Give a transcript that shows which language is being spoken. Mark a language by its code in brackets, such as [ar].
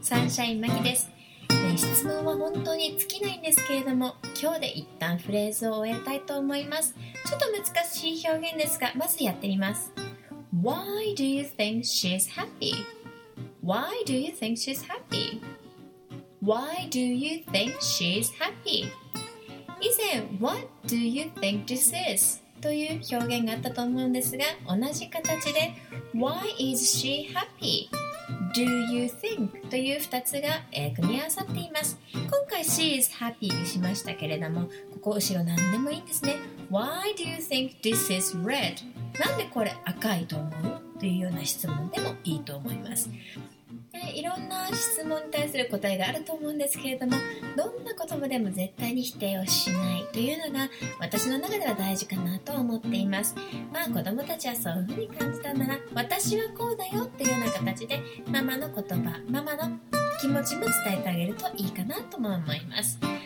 [ja] サンシャインマキです。質問は本当に尽きないんですけれども、今日で一旦フレーズを終えたいと思います。ちょっと難しい表現ですが、まずやってみます。 [en] Why do you think she's happy? Why do you think she's happy? Why do you think she's happy? 以前、What do you think this is? [ja] という表現があったと思うんですが、同じ形で [en] Why is she happy? Do you think? [ja] という2つが、組み合わさっています。今回 [en] She is happy [ja] にしましたけれども、ここ後ろ何でもいいんですね。 [en] Why do you think this is red? [ja] なんでこれ赤いと思う?というような質問でもいいと思います。いろんな質問に対する答えがあると思うんですけれども、どんな言葉でも絶対に否定をしないというのが私の中では大事かなと思っています。まあ子供たちはそういうふうに感じたなら、私はこうだよというような形でママの言葉、ママの気持ちも伝えてあげるといいかなとも思います。